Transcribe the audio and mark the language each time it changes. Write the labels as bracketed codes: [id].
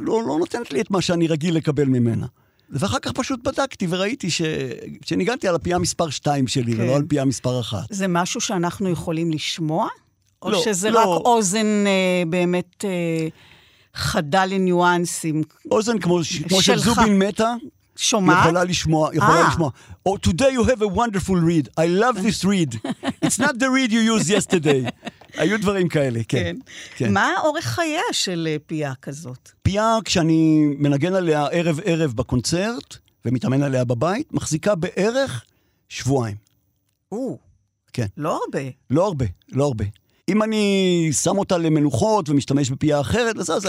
[he] לא נותנת לי את מה שאני רגיל לקבל ממנה. ואחר כך פשוט בדקתי וראיתי שניגנתי על הפייה מספר 2 שלי, כן. ולא על פייה מספר 1. זה משהו שאנחנו יכולים לשמוע? או לא, שזה לא. רק אוזן באמת חדה לניואנסים. אוזן כמו של זובין מטה. שומעת? יכולה לשמוע, יכולה לשמוע. [en] Oh, today you have a wonderful read. I love this read. It's not the read you used yesterday. [he] היו דברים כאלה, כן. כן. מה אורך חייה של פייה כזאת? פייה, כשאני מנגן עליה ערב-ערב בקונצרט, ומתאמן עליה בבית, מחזיקה בערך שבועיים. כן. לא הרבה. לא הרבה, לא הרבה. אם אני שם אותה למנוחות ומשתמש בפייה אחרת, אז כן.